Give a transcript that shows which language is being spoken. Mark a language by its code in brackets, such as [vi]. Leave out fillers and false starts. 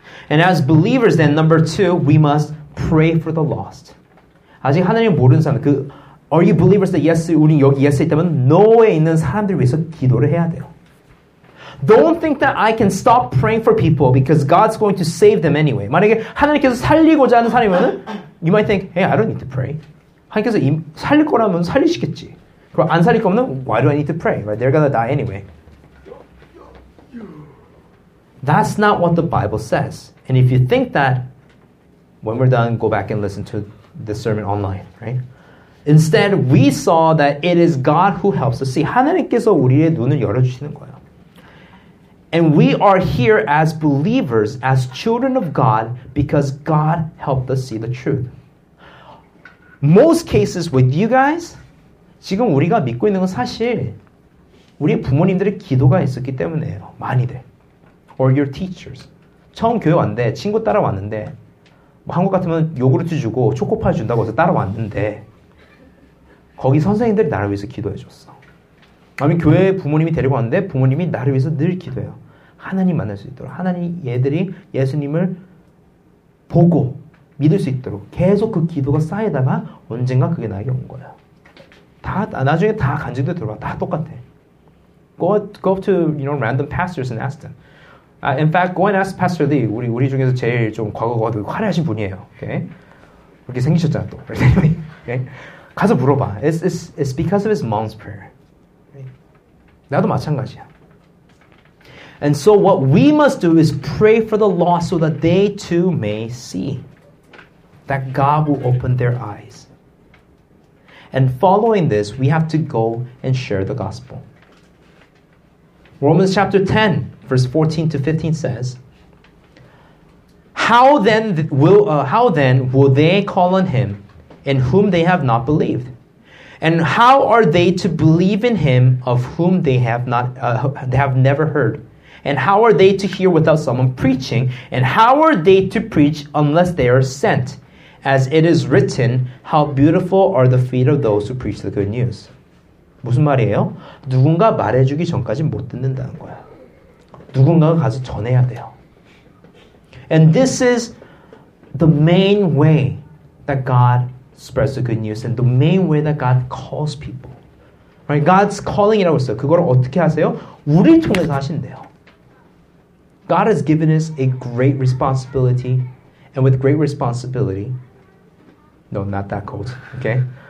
[en] And as believers, then, number two, we must pray for the lost. [ko] 아직 하나님 모르는 사람, 그 [en] Are you believers that yes, [ko] 우리 여기 yes 있다면 노에 있는 사람들 위해서 기도를 해야 돼요. [en] Don't think that I can stop praying for people because God's going to save them anyway. [ko] 만약에 하나님께서 살리고자 하는 사람이면 [en] you might think, hey, I don't need to pray. [ko] 하나님께서 살릴 거라면 살리시겠지. 그럼 안 살릴 거면 [en] why do I need to pray? Right? They're gonna die anyway. That's not what the Bible says. And if you think that, when we're done, go back and listen to the sermon online, right? Instead, we saw that it is God who helps us. [ko] See, 하나님께서 우리의 눈을 열어주시는 거예요. [en] And we are here as believers, as children of God, because God helped us see the truth. Most cases with you guys, [ko] 지금 우리가 믿고 있는 건 사실 우리 부모님들의 기도가 있었기 때문이에요. 많이들. [en] Or your teachers. [ko] 처음 교회 왔는데, 친구 따라왔는데, 뭐 한국 같으면 요구르트 주고 초코파이 준다고 해서 따라왔는데, 거기 선생님들이 나를 위해서 기도해 줬어. 아니 교회 부모님이 데리고 왔는데 부모님이 나를 위해서 늘 기도해요. 하나님 만날 수 있도록 하나님 얘들이 예수님을 보고 믿을 수 있도록 계속 그 기도가 쌓이다가 언젠가 그게 나에게 온 거야. 다 나중에 다 간증도 들어봐. 다 똑같아. [en] Go up to random pastors and ask them. In fact, go and ask Pastor Lee. [ko] 우리 중에서 제일 좀 과거가 되게 화려하신 분이에요. 오케이. [en] Okay? [ko] 이렇게 생기셨잖아 또. 오케이. Okay? 가서 물어봐. [en] It's because of his mom's prayer. [ko] 나도 마찬가지야. [en] And so what we must do is pray for the lost so that they too may see that God will open their eyes. And following this, we have to go and share the gospel. Romans chapter 10, verse 14 to 15 says, How then will they call on him in whom they have not believed? And how are they to believe in him of whom they have not, they have never heard? And how are they to hear without someone preaching? And how are they to preach unless they are sent? As it is written, how beautiful are the feet of those who preach the good news. [ko] 무슨 말이에요? 누군가 말해주기 전까지 못 듣는다는 거야. 누군가가 가서 전해야 돼요. [en] And this is the main way that God spreads the good news and the main way that God calls people. [ko] Right? [en] God's calling [ko] 이라고 했어요. 그걸 어떻게 하세요? 우리 통해서 하신대요. [en] God has given us a great responsibility, and with great responsibility, no, not that cold, okay?